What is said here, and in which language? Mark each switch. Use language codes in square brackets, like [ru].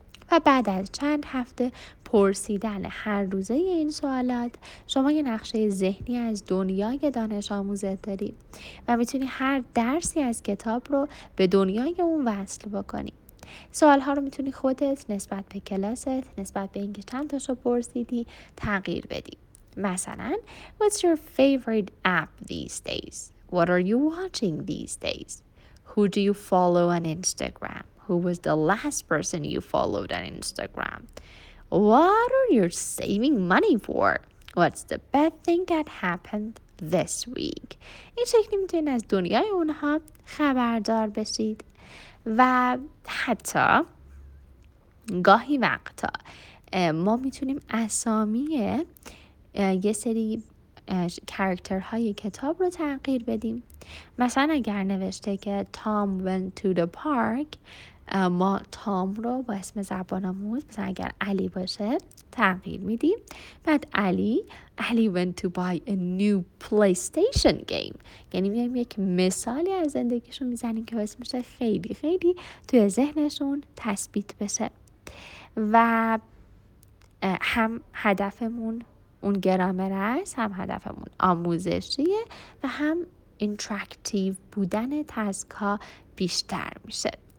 [fa] و بعد از چند هفته پرسیدن هر روزه این سوالات، شما یه نقشه ذهنی از دنیای دانش آموزت داری و میتونی هر درسی از کتاب رو به دنیای اون وصل بکنی. سوال ها رو میتونی خودت نسبت به کلاست، نسبت به اینکه چند تاش رو پرسیدی، تغییر بدی. مثلا [en] What's your favorite app these days? What are you watching these days? Who do you follow on Instagram? Who was the last person you followed on Instagram? What are you saving money for? What's the best thing that happened this week? [fa] این شکلی میتونین از دنیای اونها خبردار بشید. و حتی گاهی وقتا ما میتونیم اسامی یه سری کاراکترهای کتاب رو تغییر بدیم. مثلا اگر نوشته که [en] Tom went to the park، [fa] ما تام رو با اسم زبان آموز، مثلا اگر علی باشه، تغییر میدیم. بعد علی [en] went to buy a new PlayStation game. [fa] یعنی میایم یک مثالی از زندگیشون میزنیم که باعث میشه خیلی خیلی توی ذهنشون تثبیت بشه. و هم هدفمون اون گرامر است، هم هدفمون آموزشیه و هم اینتراکتیو بودن تسک ها بیشتر میشه.